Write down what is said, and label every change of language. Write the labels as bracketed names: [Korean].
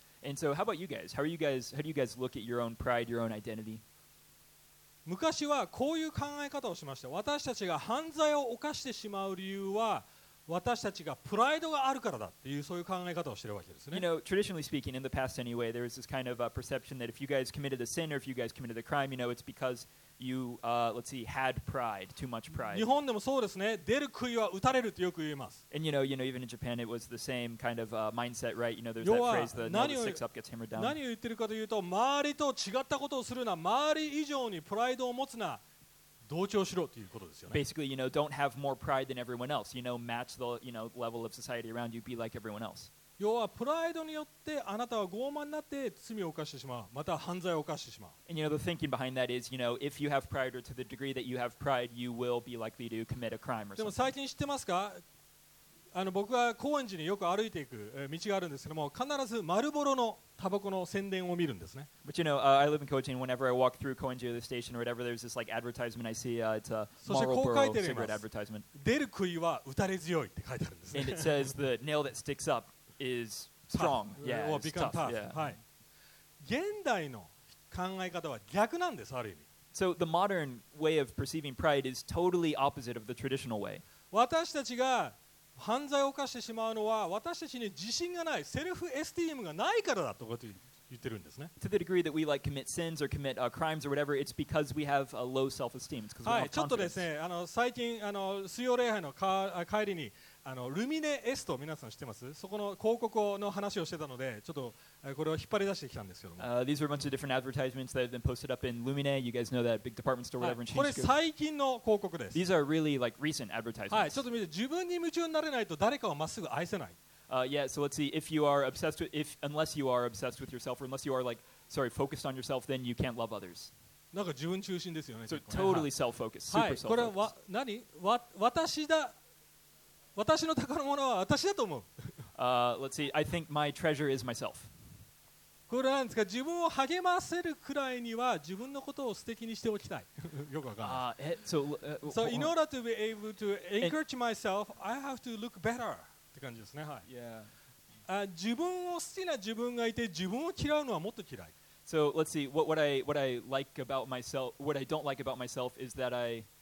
[English] And so, how about you guys? How do you guys look at your own pride, your own identity? [Japanese] 昔はこういう考え方をしました。私たちが犯罪を犯してしまう理由は私たちがプライドがあるからだっていうそういう考え方をしているわけですね。 [English] You know, traditionally speaking, in the past anyway, there is this kind of a perception that if you guys committed a sin or if you guys committed a crime, you know, it's because you, let's see, had pride, too much pride. [Japanese] 日本でもそうですね。出る杭は打たれるってよく言います。 [English] And you know, even in Japan, it was the same kind of mindset, right? You know, there's that phrase, the nail that sticks up gets hammered down. [Japanese] 何を言ってるかというと、周りと違ったことをするな、周り以上にプライドを持つな。同調しろということですよね。 [English] Basically, you know, don't have more pride than everyone else. You know, match the, you know, level of society around you. Be like everyone else. [Japanese] 要はプライドによってあなたは傲慢になって罪を犯してしまう。また犯罪を犯してしまう。 [English] And you know, the thinking behind that is, you know, if you have pride or to the degree that you have pride, you will be likely to commit a crime or something. [Japanese] でも最近知ってますか？僕は高円寺によく歩いていく道があるんですけども、必ずマルボロのタバコの宣伝を見るんですね。 [English] But you know, I live in Kōenji, and whenever I walk through Kōenji or the station or whatever, there's this like advertisement I see. It's a Marlboro cigarette advertisement. [Japanese] 出る杭は打たれ強いって書いてあるんですね。 [English] And it says the nail that sticks up is strong. Yeah, it's tough. Yeah. [Japanese] はい。現代の考え方は逆なんです、ある意味。 [English] So the modern way of perceiving pride is totally opposite of the traditional way. [Japanese] 私たちが犯罪を犯してしまうのは私たちに自信がない、セルフエスティームがないからだとかって言ってるんですね。 [English] To the degree that we like commit sins or commit crimes or whatever, it's because we have a low self-esteem. It's because we don't have confidence. [Japanese] はい、ちょっとですね、最近水曜礼拝の帰りにルミネエスト皆さん知ってます？そこの広告の話をしてたので、ちょっとこれを引っ張り出してきたんですけども。 [English] These are a bunch of different advertisements that have been posted up in Lumine. You guys know that big department store, whatever. [Japanese] これ最近の広告です。 [English] These are really like recent advertisements. [Japanese] はい、ちょっと見て、自分に夢中になれないと誰かをまっすぐ愛せない。 [English] Yeah, so let's see. If you are obsessed with, unless you are obsessed with yourself, or unless you are like, sorry, focused on yourself, then you can't love others. [Japanese] なんか自分中心ですよね。 [English] So totally self-focused, super self-focused. [Japanese] はい、これはわ何？私だ。私の宝物は私だと思う。 [English] Let's see. I think my treasure is myself. [Japanese] これなんですか？自分を励ませるくらいには自分のことを素敵にしておきたい。よくわかんない。 [English] So in order to be able to encourage myself, I have to look better. [Japanese] って感じですね。はい。 [English] Yeah. [Japanese] 自分を好きな自分がいて自分を嫌うのはもっと嫌い。 [English] So let's see. What I like about myself, what I don't like about myself is that I